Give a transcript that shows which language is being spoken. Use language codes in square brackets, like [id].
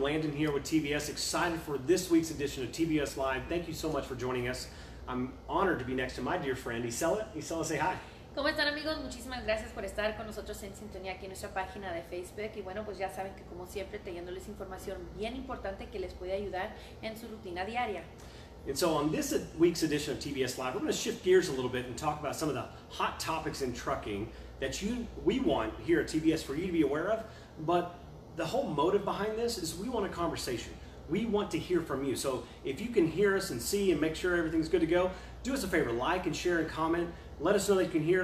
[en] Landon here with TBS, excited for this week's edition of TBS Live. Thank you so much for joining us. I'm honored to be next to my dear friend, Isela. Isela, say hi. [es] ¿Cómo están, amigos? Muchísimas gracias por estar con nosotros en sintonía aquí en nuestra página de Facebook. Y bueno, pues ya saben que como siempre, trayéndoles información bien importante que les puede ayudar en su rutina diaria. [en] And so on this week's edition of TBS Live, we're going to shift gears a little bit and talk about some of the hot topics in trucking that we want here at TBS for you to be aware of. But the whole motive behind this is we want a conversation. We want to hear from you. So if you can hear us and see and make sure everything's good to go, do us a favor, like and share and comment. Let us know that you can hear.